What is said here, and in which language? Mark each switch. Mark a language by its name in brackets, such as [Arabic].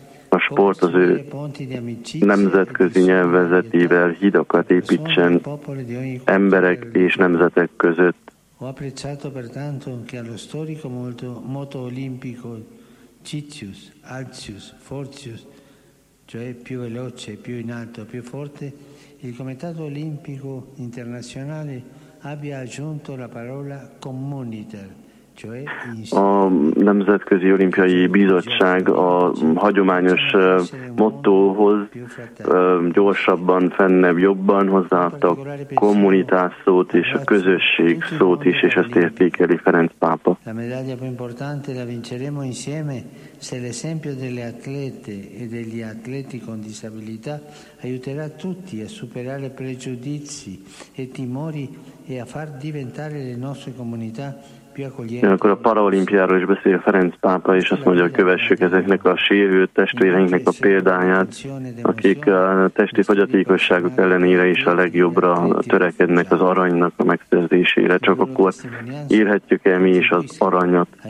[Hungarian] A sport az ő nemzetközi nyelvezetével hidakat építsen emberek és nemzetek között. [Italian] Ho apprezzato pertanto che allo storico moto olimpico Cizius, Alcius, Forcius, cioè più veloce, più in alto, più forte, il Comitato Olimpico Internazionale abbia aggiunto la parola communiter, [Hungarian] A Nemzetközi Olimpiai Bizottság a hagyományos mottóhoz gyorsabban, fennebb, jobban hozzáadta a kommunitás szót és a közösség szót is, és ezt értékeli Ferenc pápa. [Italian] La medaglia più importante la vinceremo insieme se l'esempio delle atlete e degli atleti con disabilità aiuterà tutti a superare pregiudizi e timori e a far diventare le nostre comunità. [Hungarian] Akkor a paraolimpiáról is beszél Ferenc pápa, és azt mondja, hogy kövessük ezeknek a sérült testvéreinknek a példáját, akik a testi fogyatékosságuk ellenére is a legjobbra törekednek az aranynak a megszerzésére. Csak akkor írhatjuk el mi is az aranyat.